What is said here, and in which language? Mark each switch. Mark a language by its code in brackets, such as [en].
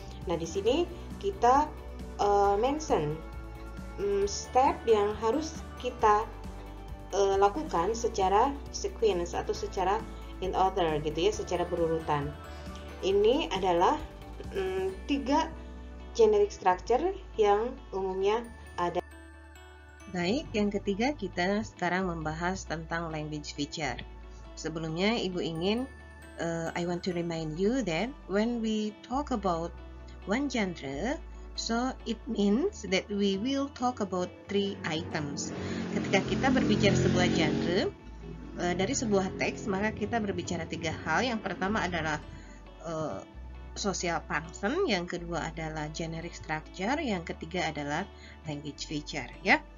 [id] Nah di sini kita mention step yang harus kita lakukan secara sequence atau secara in order, gitu ya, secara berurutan. Ini adalah tiga generic structure yang umumnya ada. Baik, yang ketiga kita sekarang membahas tentang language feature. Sebelumnya ibu ingin, [en] I want to remind you that when we talk about one genre, so it means that we will talk about three items. [id] Ketika kita berbicara sebuah genre, dari sebuah teks, maka kita berbicara tiga hal. Yang pertama adalah social function, yang kedua adalah generic structure, yang ketiga adalah language feature, ya.